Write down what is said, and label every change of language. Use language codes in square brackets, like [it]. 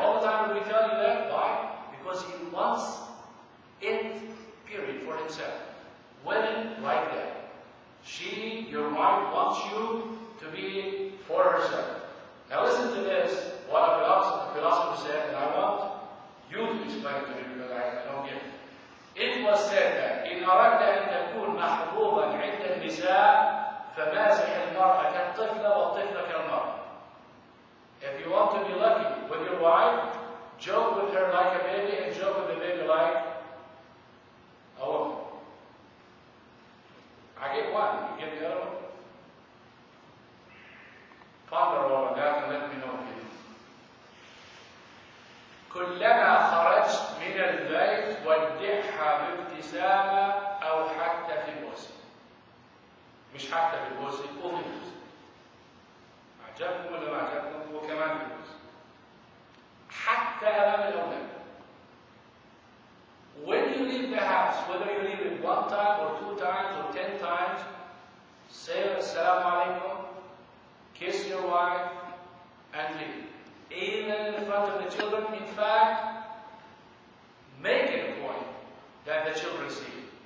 [en] All the time we tell you that. Why? Because he wants it, period, for himself. Women like that. She, your wife, wants you to be for herself. Now listen to this, what a philosopher said, and I want you to explain it to me because I don't get it. It was said that, [ar] إِنْ أَرَدْتَ أَنْ تَكُونَ مَحْبُوبًا عِنْدَ النِّسَاءِ فَمَازِحِ الْمَرْأَةَ كَالطِّفْلَ وَالطِّفْلَ كَالْمَرْأَةَ. [en] If you want to be lucky with your wife, joke with her like a baby and joke with the baby like a woman. I get one, you get the other one. Ponder over that and let me know if you do. [ar] كلما خرجت من البيت ودعها بابتسامة أو حتى في البوسة. مش حتى في البوسة، وفي البوسة. أعجبكم ولا ما أعجبكم؟ وكمان في البوسة. حتى أمام الأولاد. [en] When you leave the house, whether you leave it one time or two times or ten times, say [ar] السلام عليكم. [en] Kiss your wife and leave. Even in front of the children, in fact, make it a point that the children see.